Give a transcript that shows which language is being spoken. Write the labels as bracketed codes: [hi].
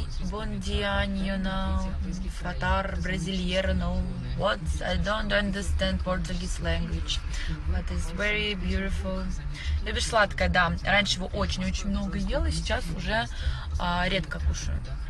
[en] Бондианьоно, фатар, бразильерно. What? I don't understand Portuguese language. But it's very beautiful. [ru] Любишь сладкое? Да. Раньше его очень-очень много ела, сейчас уже редко кушаю.